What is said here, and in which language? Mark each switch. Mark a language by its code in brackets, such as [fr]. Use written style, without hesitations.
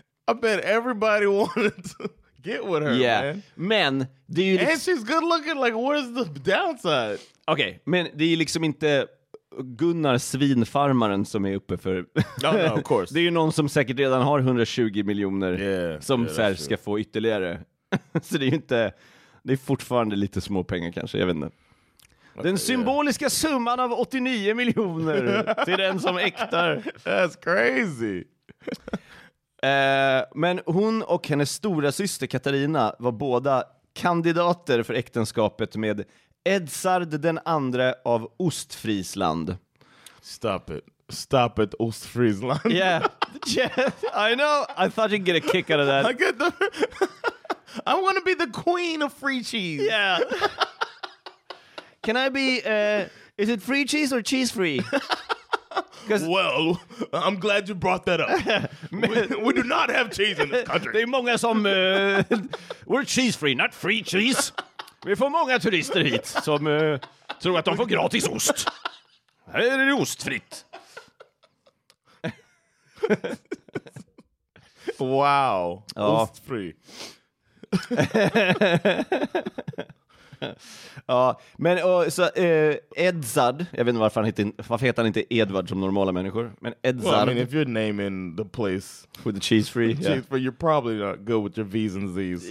[en] I bet everybody wanted to get with her, yeah. [sv] Men, det är ju [en] and she's good looking. Like, what is the downside? [sv] Okej, men det är liksom inte Gunnar svinfarmaren som är uppe för... [en] No, no, of course. [sv] Det är ju någon som säkert redan har 120 miljoner som så här, ska få ytterligare. Så det är ju inte... Det är fortfarande lite små pengar kanske, jag vet inte. Den symboliska summan av 89 miljoner till den som äktar. [en] That's crazy. [sv] Men hon och hennes stora syster Katarina var båda kandidater för äktenskapet med Edzard den andra av Ostfriesland. [en] Stop it. Stop it, Ostfriesland. Yeah. Yeah. I know. I thought you'd get a kick out of that. I want to be the queen of free cheese. Yeah. Can I be, is it free cheese or cheese free? Well, I'm glad you brought that up. We do not have cheese in this country. [sv] Det är många som, [en] we're cheese free, not free cheese. [sv] Vi får många turister hit som tror att de får gratis ost. Här är det ostfritt. Wow, ja. Ostfri. Ja, men så Edzard, jag vet inte varför han heter, varför heter han inte Edvard som normala människor, men Edzard. [en] Well, I mean, if you're naming the place with the cheese free, yeah. Cheese free, you're probably not good with your V's and Z's.